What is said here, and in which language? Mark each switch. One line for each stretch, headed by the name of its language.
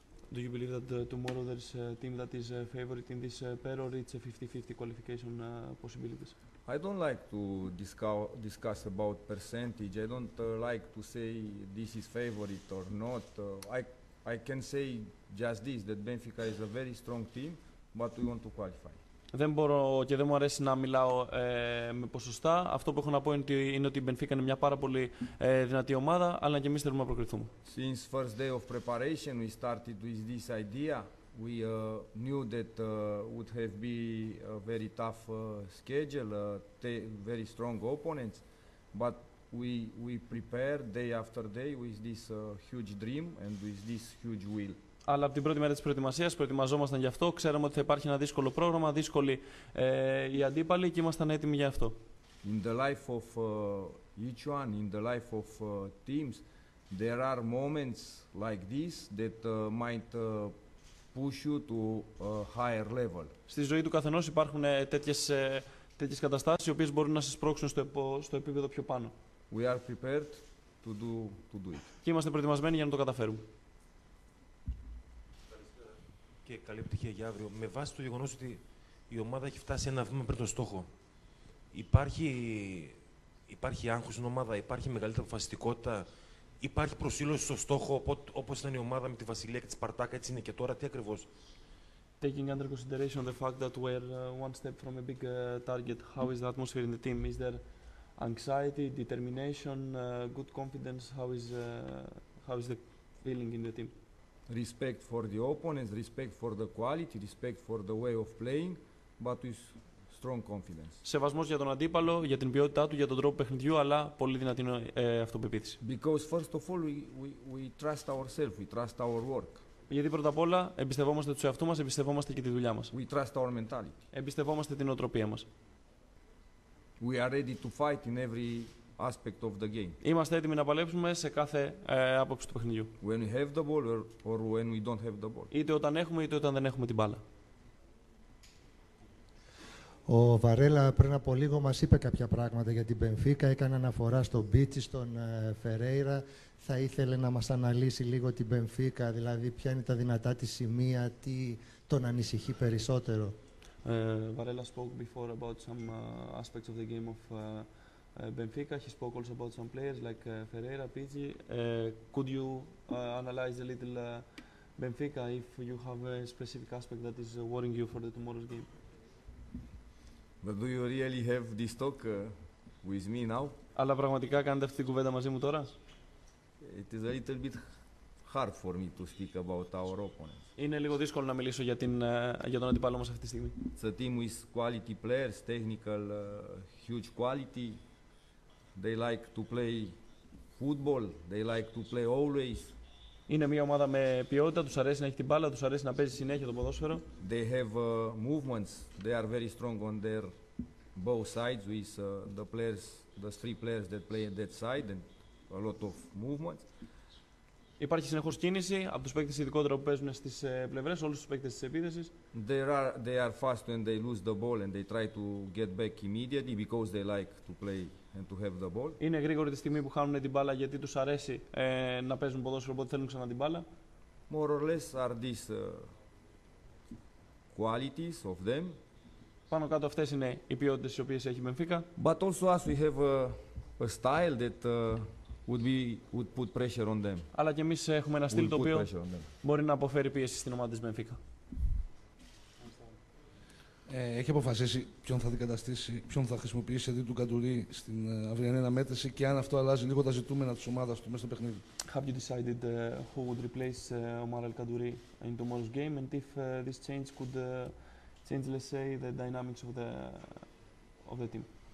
English: Do you believe that tomorrow there is a team that is a favorite in this pair, or it's a 50-50 qualification possibilities? I don't like to discuss about percentage. I don't like to say this is favorite or not. I can say just this, that Benfica is a very strong team, but we want to qualify.
Greek: Δεν μπορώ και δεν μου αρέσει να μιλάω με ποσοστά. Αυτό που έχω να πω είναι ότι η Benfica είναι μια πάρα πολύ δυνατή ομάδα, αλλά και εμείς θέλουμε να προκριθούμε.
English: Since first day of preparation we started with this idea. We knew that would have been a very tough schedule, very strong opponents, but we prepared day after day with this huge dream and with this huge will.
Greek: Αλλά από την πρώτη μέρα της προετοιμασίας προετοιμαζόμασταν γι' αυτό. Ξέραμε ότι θα υπάρχει ένα δύσκολο πρόγραμμα, δύσκολοι οι αντίπαλοι και ήμασταν έτοιμοι γι' αυτό.
English: in the life of each one, in the life of teams, there are moments like this that might push you to a higher level.
Greek: Στη ζωή του καθενός υπάρχουν τέτοιες καταστάσεις οι οποίες μπορούν να σε σπρώξουν στο επίπεδο πιο πάνω.
English: We are prepared to do it.
Greek: Και είμαστε προετοιμασμένοι για να το καταφέρουμε. Και καλή επιτυχία για αύριο. Με βάση το γεγονός ότι η ομάδα έχει φτάσει ένα βήμα πριν τον στόχο, υπάρχει άγχος στην ομάδα, υπάρχει μεγαλύτερη αποφασιστικότητα, υπάρχει προσήλωση στο στόχο, όπως ήταν η ομάδα με τη Βασιλεία και τη Σπαρτάκα, έτσι είναι και τώρα, τι ακριβώς.
English: Taking under consideration the fact that we're one step from a big target, how is the atmosphere in the team? Is there anxiety, determination, good confidence? How is the feeling in the team? Respect for the opponents, respect for the quality, respect for the way of playing, but with strong confidence.
Greek: Σεβασμός για τον αντίπαλο, για την ποιότητά του, για τον τρόπο παιχνιδιού, αλλά πολύ δυνατή αυτοπεποίθηση.
English: Because first of all we trust ourselves, we trust our work.
Greek: Γιατί πρώτα απ' όλα εμπιστευόμαστε τους εαυτούς μας, εμπιστευόμαστε και τη δουλειά μας.
English: We trust our mentality.
Greek: Εμπιστευόμαστε την οτροπία μας.
English: We are ready to fight in every aspect of the game.
Greek: Είμαστε έτοιμοι να παλέψουμε σε κάθε άποψη του παιχνιδιού.
English: When we have the ball or when we don't have the ball.
Greek: Είτε όταν έχουμε είτε όταν δεν έχουμε την μπάλα. Ο Βαρέλα πριν από λίγο μας είπε κάποια πράγματα για την Μπενφίκα, έκανε αναφορά στον Μπίτσι, στον Φερέιρα. Θα ήθελε να μας αναλύσει λίγο την Μπενφίκα, δηλαδή ποια είναι τα δυνατά της σημεία, τι τον ανησυχεί περισσότερο.
English: Βαρέλα spoke before about some aspects of the game of Benfica. He spoke also about some players like Ferreira, Pizzi. Could you analyze a little Benfica if you have a specific aspect that is worrying you for the tomorrow's game? But do you really have this talk with me now?
Greek: Αλλά πραγματικά κάνετε αυτή την κουβέντα μαζί μου τώρα?
English: It is a little bit hard for me to speak about our opponents.
Greek: Είναι λίγο δύσκολο να μιλήσω για τον αντίπαλό μας αυτή τη στιγμή.
English: It's a team with quality players, technical, huge quality. They like to play football. They like to play always.
Greek: Είναι μια ομάδα με ποιότητα, τους αρέσει να έχει την μπάλα, τους αρέσει να παίζει συνέχεια το ποδόσφαιρο.
English: They have movements. They are very strong on their both sides with the players, the three players that play on that side and a lot of movements.
Greek: Υπάρχει συνεχώς κίνηση από τους παίκτες, ειδικότερα που παίζουν στις πλευρές, όλους τους παίκτες της επίθεσης.
English: They are fast when they lose the ball and they try to get back immediately because they like to play and to have the ball.
Greek: Είναι γρήγοροι τη στιγμή που χάνουν την μπάλα γιατί τους αρέσει να παίζουν ποδόσφαιρο, οπότε θέλουν ξανά την μπάλα.
English: More or less are these qualities of them.
Greek: Πάνω κάτω αυτές είναι οι ποιότητες τις οποίες έχει η Μενφίκα.
English: But also as we have a style that would put pressure on them.
Greek: Αλλά και εμείς έχουμε ένα στυλ το οποίο μπορεί να αποφέρει πίεση στην ομάδα της Μενφίκα. Έχει αποφασίσει ποιον θα αντικαταστήσει, ποιον θα χρησιμοποιήσει αντί του Καντουρί στην αυριανή αναμέτρηση και αν αυτό αλλάζει λίγο τα ζητούμενα της ομάδας του μέσα στο παιχνίδι.
English: Have you decided who would replace Omar El Kadouri in tomorrow's game and if this change could change, let's say, the dynamics of the team?